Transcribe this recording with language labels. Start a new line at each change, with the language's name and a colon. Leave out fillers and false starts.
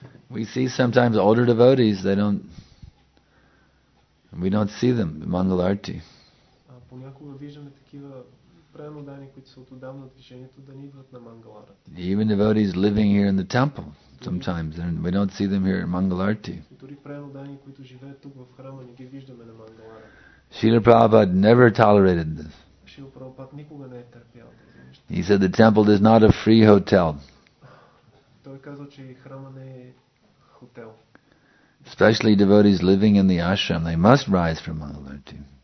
English: We see sometimes older devotees, we don't see them, Mangalarti.
Bulgarian: Понякога виждаме такива преродани, които са от отдавна движението, да не идват на Мангаларати.
English: Even devotees living here in the temple sometimes, and we don't see them here in Mangalarti.
Bulgarian: Дори преродани, които живеят тук в храма, не ги виждаме на Мангаларати.
English: Шрила Прабхупада never tolerated this.
Bulgarian: Шрила Прабхупада никога не е търпял това.
English: He said the temple is not a free hotel.
Bulgarian: Той казва, че храма не е хотел.
English: Especially devotees living in the ashram, they must rise from Mangalarti.